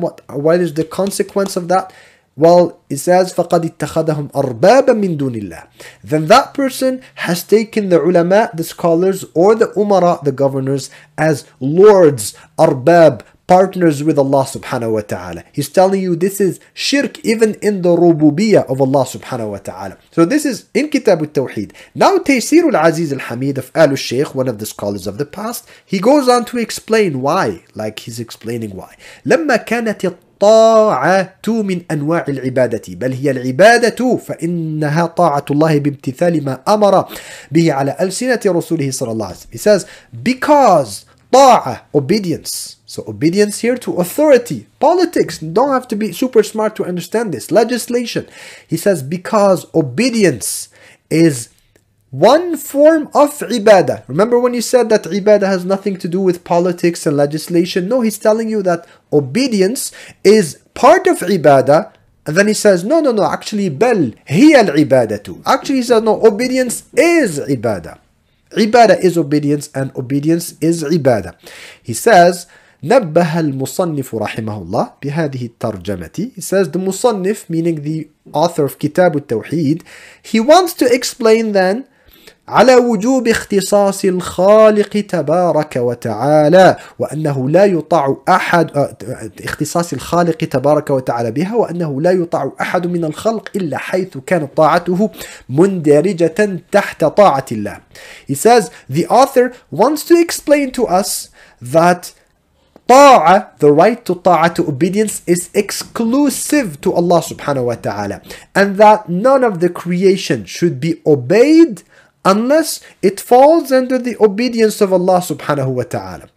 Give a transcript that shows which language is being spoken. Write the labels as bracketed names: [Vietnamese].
[English] What is the consequence of that? Well, it says, [Arabic] فَقَدْ اتَّخَذَهُمْ أَرْبَابًا مِنْ دُونِ اللَّهِ. [English] Then that person has taken the ulama, the scholars, or the umara, the governors, as lords, arbab, partners with Allah subhanahu wa ta'ala. He's telling you this is shirk even in the rububiyyah of Allah subhanahu wa ta'ala. So this is in Kitab al-Tawheed. Now Taysir al-Aziz al-Hamid of Al-Sheikh, one of the scholars of the past, he goes on to explain why, like he's explaining why. [Arabic] لَمَّا كَانَتِ طاعة من أنواع العبادة بل هي العبادة فإنها طاعة الله بامتثال ما أمر به على ألسنة رسوله صلى الله عليه وسلم. [English] He says, because [Arabic] طاعة, [English] obedience. So obedience here to authority, politics. Don't have to be super smart to understand this. Legislation. He says, because obedience is one form of ibadah. Remember when you said that ibadah has nothing to do with politics and legislation? No, he's telling you that obedience is part of ibadah. And then he says, no, actually, [Arabic] bal hiya al-ibadatu. [English] Actually, he says, no, obedience is ibadah. Ibadah is obedience and obedience is ibadah. He says, [Arabic] نبه المصنف رحمه الله بهذه الترجمة. [English] He says, the musannif, meaning the author of Kitab al-Tawheed, he wants to explain then, [Arabic] على وجوب اختصاص الخالق تبارك وتعالى وأنه لا يطاع أحد اختصاص الخالق تبارك وتعالى بها وأنه لا يطاع أحد من الخلق إلا حيث كانت طاعته مندرجة تحت طاعة الله. [English] He says, the author wants to explain to us that ta'a, the right to ta'a, to obedience, is exclusive to Allah subhanahu wa ta'ala, and that none of the creation should be obeyed unless it falls under the obedience of Allah subhanahu wa ta'ala.